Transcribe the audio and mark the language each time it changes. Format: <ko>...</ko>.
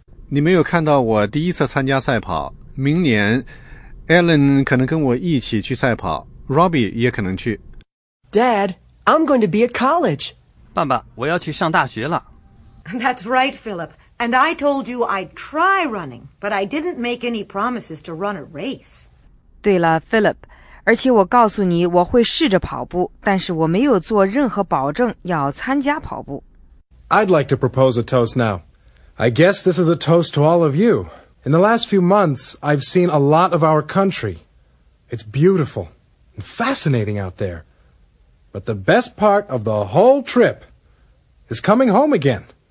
<zh>你没有看到我第一次参加赛跑，明年 Ellen 可能跟我一起去赛跑， Robbie 也可能去。</zh> <en>Dad, I'm going to be at college.</en> <zh>爸爸，我要去上大学了。</zh> <en>That's right, Philip. And I told you I'd try running, but I didn't make any promises to run a race.</en> <zh>对了 Philip, 而且我告诉你我会试着跑步，但是我没有做任何保证要参加跑步。</zh> <en>I'd like to propose a toast now. I guess this is a toast to all of you. In the last few months, I've seen a lot of our country. It's beautiful and fascinating out there. But the best part of the whole trip is coming home again.</en>